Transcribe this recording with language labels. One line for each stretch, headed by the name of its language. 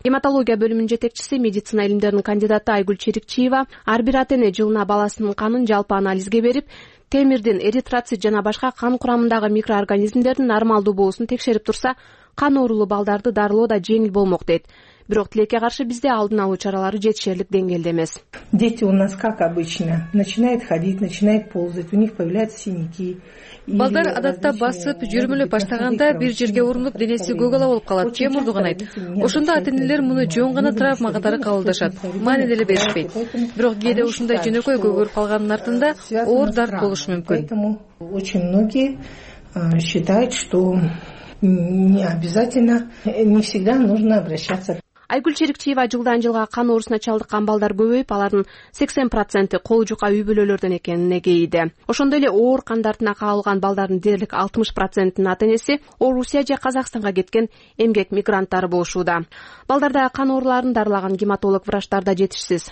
Kyrgyz: Гематология бөлүмүнүн жетекчиси, медицина илимдеринин кандидаты Айгүл Черикчиева ар бир ата эне жылына баласынын канын жалпы анализге берип, темирдин, эритроцит жана башка кан курамындагы микроорганизмдердин нормалдуу болуусун текшерип турса, кан оорулуу балдарды дарылоо да жеңил болмок дейт. Бирок тилекке каршы бизде алдын алуу чаралары жетишерлик деңгээлде эмес.
Russian: Дети у нас как обычно, начинают ходить, начинают ползать, у них появляются синяки.
Kyrgyz: Балдар адатта басып, жүрмөлөп баштаганда бир жерге урулуп, денеси көк ала болуп калат, же мурдуганайт. Ошондо ата-энелер муну жөн гана травма катары кабылдашат, маани деле беришпейт. Бирок кээде ушундай жөнөкөй көгөрүп калганын артында оор дарт болушу мүмкүн.
Russian: Поэтому очень многие считают, что не обязательно, не всегда нужно обращаться.
Kyrgyz: Айгүл Черикчиева жылдан жылга кан оорусуна чалдыккан балдар көбөйүп, алардын 80% колу жука үй бүлөлөрдөн экенине кейиде. Ошондой эле оор кан дартына кабылган балдардын дээрлик 60%нын ата энеси Орусия же Казакстанга кеткен эмгек мигранттары болушууда. Балдардагы кан ооруларын дарылаган гематолог врачтар да жетишсиз.